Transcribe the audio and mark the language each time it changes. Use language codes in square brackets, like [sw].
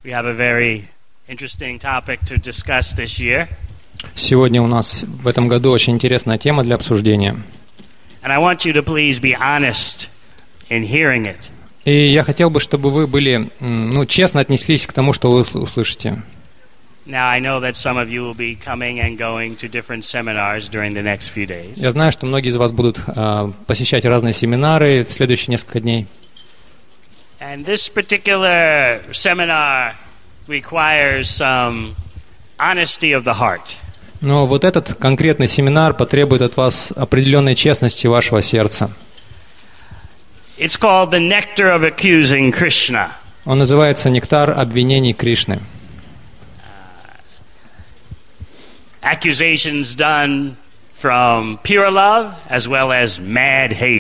[en] We have a very interesting topic to discuss this year. [ru] Сегодня у нас в этом году очень интересная тема для обсуждения. [en] And I want you to please be honest in hearing it. [ru] И я хотел бы, чтобы вы были, ну, честно отнеслись к тому, что вы услышите. [en] Now I know that some of you will be coming and going to different seminars during the next few days. [ru] Я знаю, что многие из вас будут посещать разные семинары в следующие несколько дней. [en] And this particular seminar requires some honesty of the heart. [ru] Но вот этот конкретный семинар потребует от вас определенной честности вашего сердца. [en] It's called the Nectar of Accusing Krishna. [ru] Он называется «Нектар обвинений Кришны». [en] Accusations done from pure love, as well as mad hate.